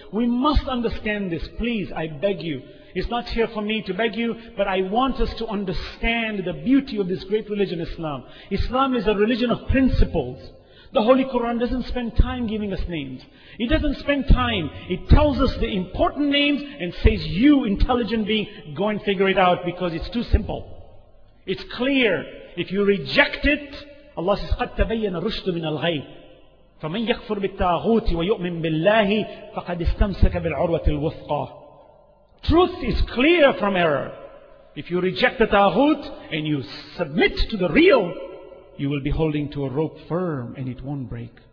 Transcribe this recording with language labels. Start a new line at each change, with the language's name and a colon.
English: We must understand this. Please, I beg you. It's not here for me to beg you, but I want us to understand the beauty of this great religion, Islam. Islam is a religion of principles. The Holy Quran doesn't spend time giving us names. It doesn't spend time. It tells us the important names and says, you intelligent being, go and figure it out, because it's too simple. It's clear. If you reject it, Allah says,
Arabic: قَدْ تَبَيَّنَ الرُّشْدُ مِنَ الْغَيْبِ فَمَنْ يَكْفُرْ بِالتَّاغُوتِ وَيُؤْمِنْ بِاللَّهِ فَقَدْ اسْتَمْسَكَ بِالْعُرْوَةِ الْوُثْقَى.
English: Truth is clear from error. If you reject the taghut and you submit to the real, you will be holding to a rope firm and it won't break.